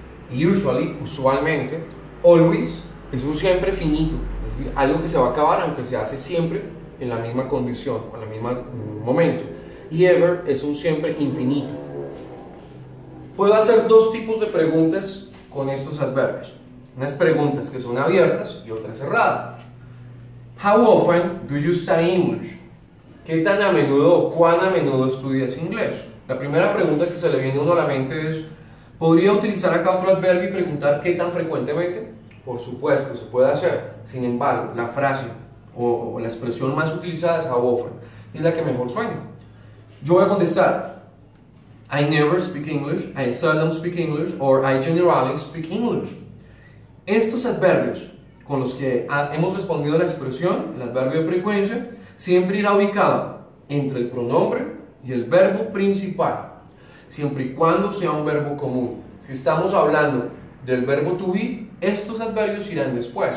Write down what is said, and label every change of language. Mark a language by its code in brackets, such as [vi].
[es] usually, usualmente; always, es un siempre finito, es decir, algo que se va a acabar aunque se hace siempre en la misma condición o en el mismo momento; y ever es un siempre infinito. Puedo hacer dos tipos de preguntas con estos adverbios. Unas preguntas que son abiertas y otras cerradas. [en] How often do you study English? [es] ¿Qué tan a menudo o cuán a menudo estudias inglés? La primera pregunta que se le viene a uno a la mente es, ¿podría utilizar acá otro adverbio y preguntar qué tan frecuentemente? Por supuesto, se puede hacer. Sin embargo, la frase o la expresión más utilizada es how often. Es la que mejor suena. Yo voy a contestar: [en] I never speak English, I seldom speak English, or I generally speak English. [es] Estos adverbios con los que hemos respondido a la expresión, el adverbio de frecuencia, siempre irá ubicado entre el pronombre y el verbo principal, siempre y cuando sea un verbo común. Si estamos hablando del verbo to be, estos adverbios irán después.